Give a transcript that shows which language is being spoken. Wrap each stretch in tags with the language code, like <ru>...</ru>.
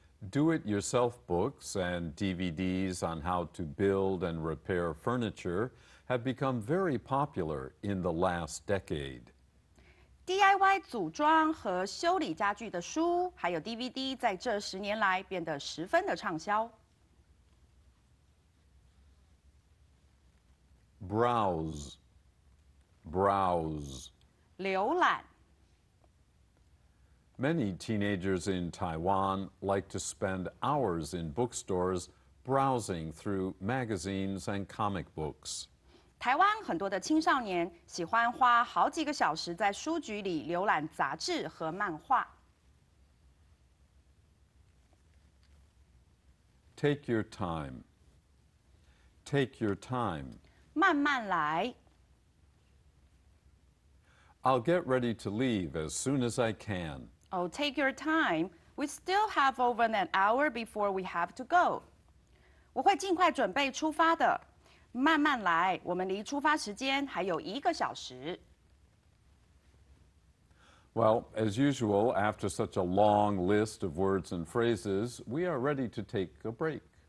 <en>Do-it-yourself books and DVDs on how to build and repair furniture have become very popular in the last decade.</en> <zh>DIY 组装和修理家具的书还有 DVD 在这十年来变得十分的畅销。</zh> <en>Browse, browse.</en> <zh>浏览。</zh> <en>Many teenagers in Taiwan like to spend hours in bookstores browsing through magazines and comic books.</en> <zh>台湾很多的青少年喜欢花好几个小时在书局里浏览杂志和漫画。</zh> <en>Take your time. Take your time.</en> <zh>慢慢来。</zh> <en>I'll get ready to leave as soon as I can. Oh, take your time. We still have over an hour before we have to go.</en> <zh>我会尽快准备出发的。慢慢来，我们离出发时间还有一个小时。</zh> <en>Well, as usual, after such a long list of words and phrases, we are ready to take a break.</en>